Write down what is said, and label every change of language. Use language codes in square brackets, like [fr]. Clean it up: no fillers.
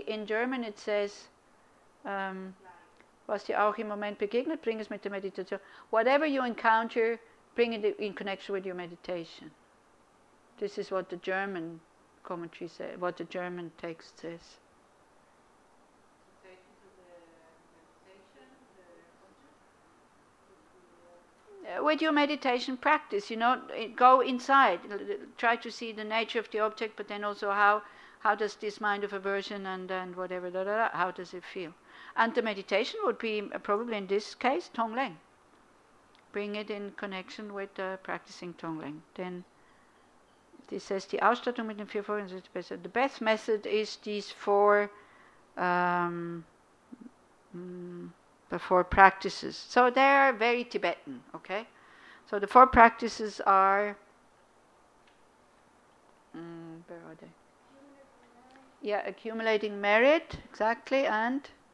[en] In German it says, [de] was dir auch im Moment begegnet, bring es mit der Meditation. [en] Whatever you encounter, bring it in connection with your meditation. This is what the German commentary says, what the German text says. To take into the meditation, with your meditation practice, you know, go inside. Try to see the nature of the object, but then also how does this mind of aversion and whatever, da, da, da, how does it feel? And the meditation would be probably in this case, Tonglen. Bring it in connection with practicing Tonglen. Then this says the [de] Ausstattung mit den vier Folgen ist besser. [en] The best method is these four, the four practices. So they are very Tibetan. Okay, so the four practices are. Where are they? Yeah, accumulating merit exactly, and.